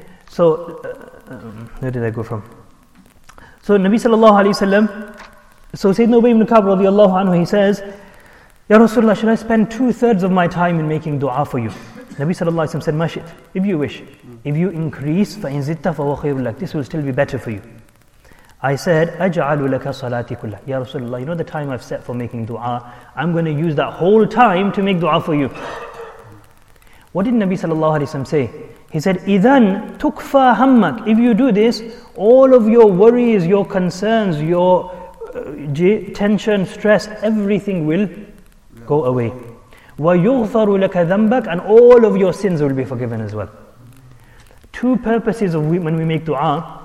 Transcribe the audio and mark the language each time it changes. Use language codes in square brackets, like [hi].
[en] So, where did I go from? So Nabi sallallahu alayhi wa sallam, so Sayyidina Ubay ibn Ka'b radiallahu anhu, he says, Ya Rasulullah, should I spend 2/3 of my time in making dua for you? Nabi sallallahu alayhi wa sallam said, Mashit, if you wish, if you increase, [ar] فَإِنْ زِدْتَ فَوَ خَيْرٌ لَكَ, [en] this will still be better for you. I said, [ar] أَجْعَلُ لَكَ صَلَاتِ كُلَّ. [en] Ya Rasulullah, you know the time I've set for making dua, I'm going to use that whole time to make dua for you. What did Nabi sallallahu alayhi wa sallam say? He said, [ar] إِذَنْ تُكْفَى هَمَّكَ. [en] If you do this, all of your worries, your concerns, your tension, stress, everything will go away. [ar] وَيُغْفَرُ لَكَ ذَنْبَكَ. [en] And all of your sins will be forgiven as well. Two purposes of when we make dua.